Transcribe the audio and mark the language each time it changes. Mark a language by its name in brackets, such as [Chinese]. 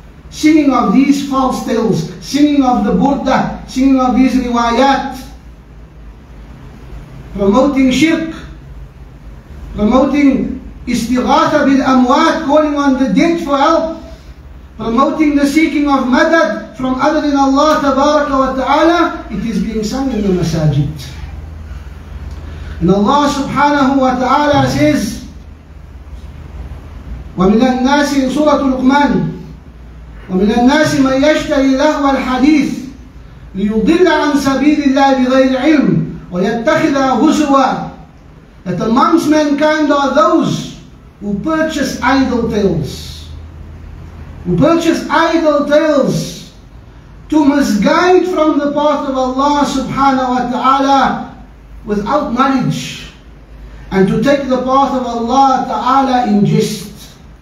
[English] Singing of these false tales, singing of the burda, singing of these riwayat, promoting shirk, promoting istighatha bil amwat, calling on the dead for help, promoting the seeking of madad from other than Allah tabaraka wa ta'ala, it is being sung in the masajid. And Allah subhanahu wa ta'ala says, [Arabic] ومن الناس سورة لقمان ومن الناس من يشتري لهو الحديث ليضل عن سبيل الله بغير علم ويتخذها هزوا. [English] That amongst mankind are those who purchase idol tales, who purchase idol tales to misguide from the path of Allah subhanahu wa ta'ala without knowledge, and to take the path of Allah ta'ala in jest.